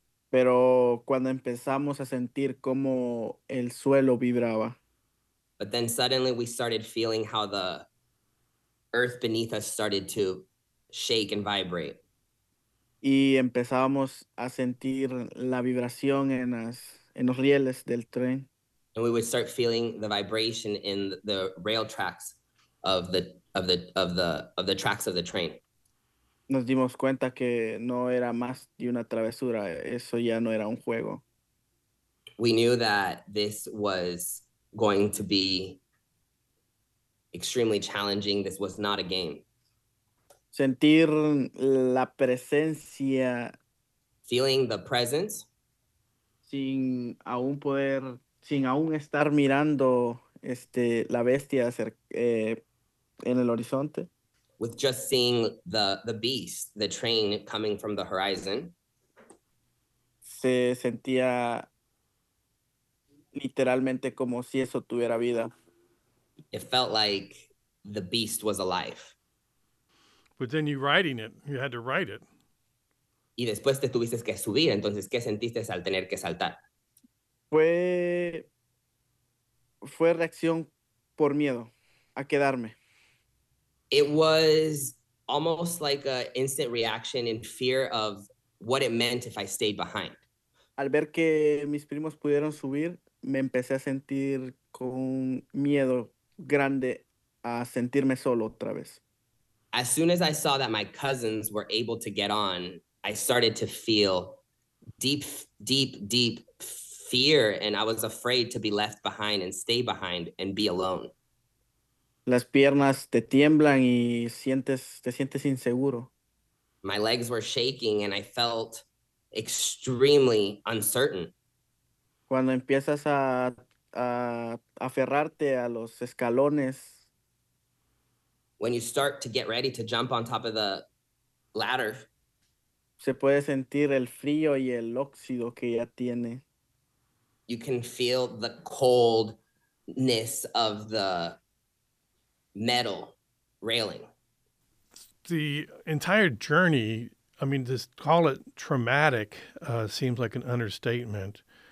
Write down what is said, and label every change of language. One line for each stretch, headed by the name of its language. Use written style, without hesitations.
Spanish: Pero cuando empezamos a sentir cómo el suelo vibraba.
English: But then suddenly we started feeling how the earth beneath us started to shake and vibrate.
Spanish: Y empezábamos a sentir la vibración en los rieles del tren.
English: And we would start feeling the vibration in the rail tracks of the tracks of the train.
Spanish: Nos dimos cuenta que no era más de una travesura, eso ya no era un juego.
English: We knew that this was going to be extremely challenging. This was not a game.
Spanish: Sentir la presencia.
English: Feeling the presence.
Spanish: Sin aún estar mirando la bestia en el horizonte.
English: With just seeing the beast, the train coming from the horizon.
Spanish: Se sentía literalmente como si eso tuviera vida.
English: It felt like the beast was alive. But then you riding it, you had to ride it.
Spanish: Y después te tuviste que subir, entonces, ¿qué sentiste al tener que saltar? Fue reacción por miedo a quedarme.
English: It was almost like an instant reaction in fear of what it meant if I stayed behind.
Spanish: Al ver que mis primos pudieron subir, me empecé a sentir con un miedo grande a sentirme solo otra vez.
English: As soon as I saw that my cousins were able to get on, I started to feel deep, deep, deep fear, and I was afraid to be left behind and stay behind and be alone.
Spanish: Las piernas te tiemblan y te sientes inseguro.
English: My legs were shaking and I felt extremely uncertain.
Spanish: Cuando empiezas a aferrarte a los escalones,
English: When you start to get ready to jump on top of the ladder,
Spanish: se puede sentir el frío y el óxido que ya tiene.
English: you can feel the coldness of the metal railing. The entire journey, I mean, just call it traumatic, seems like an understatement.